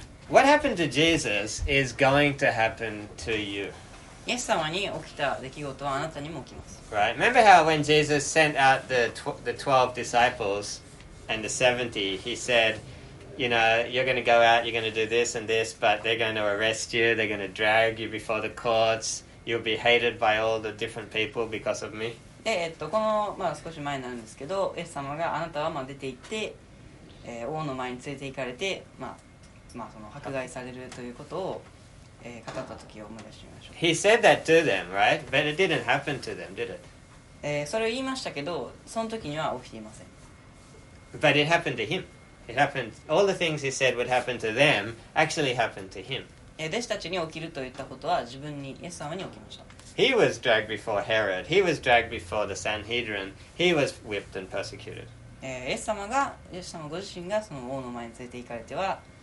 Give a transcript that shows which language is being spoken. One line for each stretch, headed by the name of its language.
English: What happened to Jesus is going to happen to you.
Japanese: イエス様に起きた出来事はあなたにも起きます。
English: Right. Remember how when Jesus sent out the 12 disciples and the 70, he said,You know, you're going to go out, you're going to do this and this, but they're going to arrest you, they're going to drag you before the courts, you'll be hated by all the different people because of me.
Japanese: で、この、まあ、少し前になるんですけど、イエス様があなたは、まあ、出て行って、王の前に連れて行かれて、まあ、まあ、その迫害されるということを、語った時を思い出してみましょう。
English: He said that to them, right? But it didn't happen to them, did it?
Japanese: それを言いましたけど、その時には起きていません。
English: But it happened to him. It happened. All the things he said would happen to them actually happened to him.
Japanese: 弟子たちに起きると言ったことは自分に、イエス様に起きました。
English: He was dragged before Herod. He was dragged before the Sanhedrin. He was whipped and persecuted.
Japanese: イエス様が、イエス様ご自身がその王の前に連れて行かれては、